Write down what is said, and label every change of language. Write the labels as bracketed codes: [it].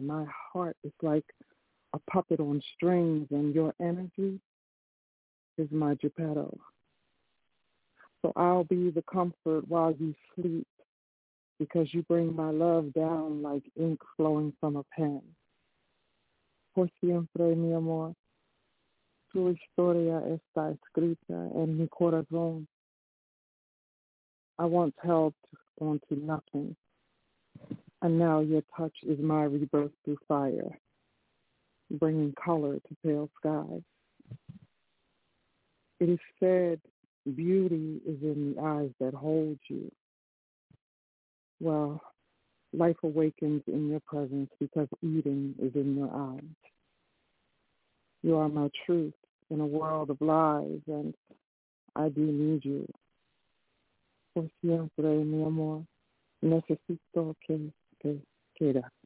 [en] My heart is like a puppet on strings, and your energy is my Geppetto. So I'll be the comfort while you sleep, because you bring my love down like ink flowing from a pen. [es] Por siempre, mi amor, tu historia está escrita en mi corazón. [en] I once held on to nothing, and now your touch is my rebirth through fire, bringing color to pale skies. It is said beauty is in the eyes that hold you. Well, life awakens in your presence, because eating is in your eyes. You are my truth in a world of lies, and I do need you. [es] Por siempre, mi amor, necesito que te quede.